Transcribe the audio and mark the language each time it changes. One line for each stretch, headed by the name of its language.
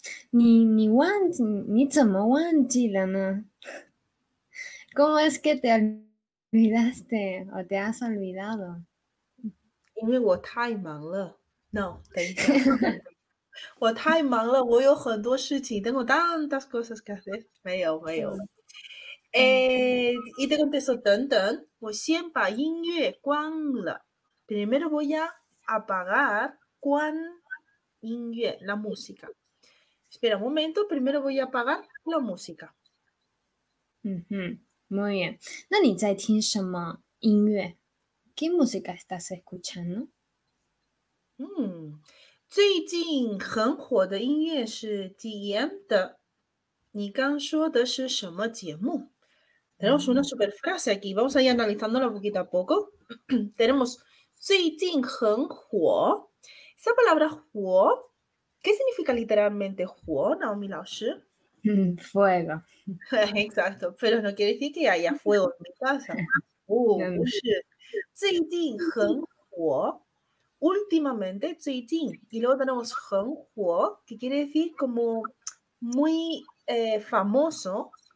Chinese: 你怎么忘记了呢？
Spanish: ¿Cómo es que te olvidaste o te has olvidado？
Chinese: 因为我太忙了。
Spanish: No，
Chinese: 等一下。我太忙了，我有很多事情。
Spanish: Tengo tantas cosas que hacer。
Chinese: 没有，没有。
Spanish: Y te contesto,
Chinese: 等等，我先把音乐关了。
Spanish: Primero voy a apagar,
Chinese: 关音乐，
Spanish: la música. Espera un momento, primero voy a apagar la música. Muy bien.
Chinese: ¿Nani zai tin shenme yinyue?
Spanish: ¿Qué música estás escuchando?
Chinese: 最近很火的音乐是 DM 的。你刚说的是什么节目？
Spanish: Tenemos una super frase aquí. Vamos a ir analizándola poquito a poco. Tenemos
Chinese: 最近很火.
Spanish: Esa palabra 火, ¿qué significa literalmente 火, Naomi Laoshi? Fuego. Exacto, pero no quiere decir que haya fuego en mi casa. No, no es.
Chinese: 最近很火.
Spanish: Últimamente, 最近. Y luego tenemos
Chinese: 很火,
Spanish: que quiere decir como muy famoso.